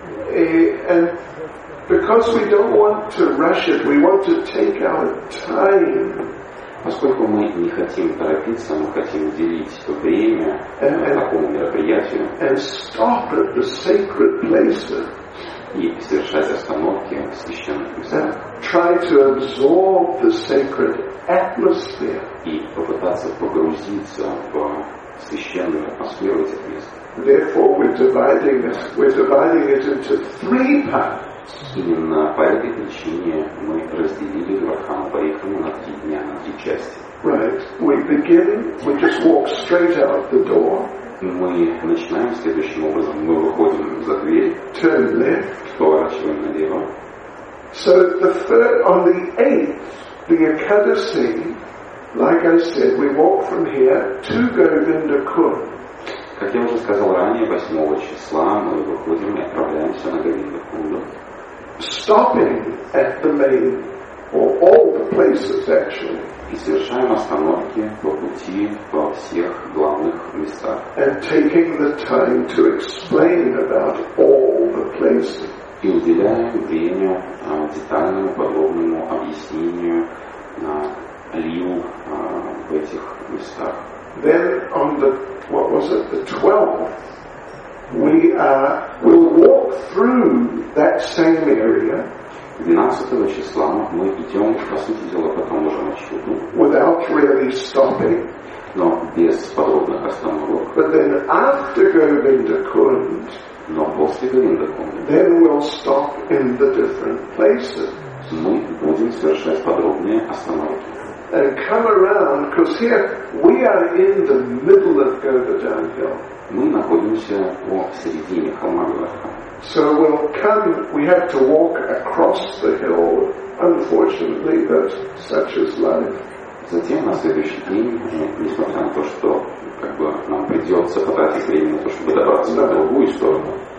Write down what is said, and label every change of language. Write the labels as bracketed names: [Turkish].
[English] And because we don't want to rush it, we want to take our time. [Russian] Поскольку мы не хотим торопиться, мы хотим уделить время такому мероприятию. [English] And stop at the sacred places. [Russian] И совершать остановки в священных местах. [English] Try to absorb the sacred atmosphere. [Russian] И попытаться погрузиться в священную атмосферу этих мест. [English] Therefore, we're dividing it into three parts. [Russian] Именно по этой причине мы разделили Govardhan Parikrama на три дня, на три части. [English] Right. We begin. We just walk straight out the door. [Russian] Мы начинаем следующим образом. Мы выходим за дверь. [English] Turn left. [Russian] Поворачиваем налево. [English] So the third, on the eighth, the Ekadasi, like I said, we walk from here to Govinda Kund. [Russian] Как я уже сказал ранее, 8 числа мы выходим и отправляемся на Говинда Кунду. [English] Stopping at the main, or all the places actually. [Russian] И совершаем остановки по пути во всех главных местах. [English] And taking the time to explain about all the places. [Russian] И уделяем время детальному, подробному объяснению на лил в этих местах. [English] Then on the, what was it, the 12th, we'll walk through that same area. [Russian] 12 числа мы идем, по сути дела, по тому же маршруту. [English] Without really stopping. [Russian] Но без подробных остановок. [English] But then after Govinda Kund. [Russian] Но после Govinda Kunda. [English] Then we'll stop in the different places. [Russian] Мы будем совершать подробные остановки. [English] And come around, because here we are in the middle of Govardhan Hill. [Russian] Мы находимся по середине холма Говардхан. [English] So we'll come. We have to walk across the hill, unfortunately, but such is life. [Russian] Затем на следующий день, несмотря на то, что как бы нам придется потратить время на то, чтобы добраться на другую сторону.